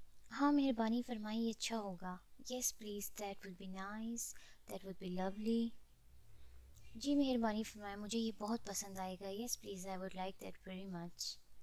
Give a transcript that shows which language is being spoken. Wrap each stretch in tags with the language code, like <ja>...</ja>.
<ur>हाँ मेहरबानी फरमाई अच्छा होगा.</ur> <en>Yes please, that would be nice. That would be lovely.</en> <ur>जी मेहरबानी फरमाई मुझे ये बहुत पसंद आएगा.</ur> <en>Yes please, I would like that very much.</en>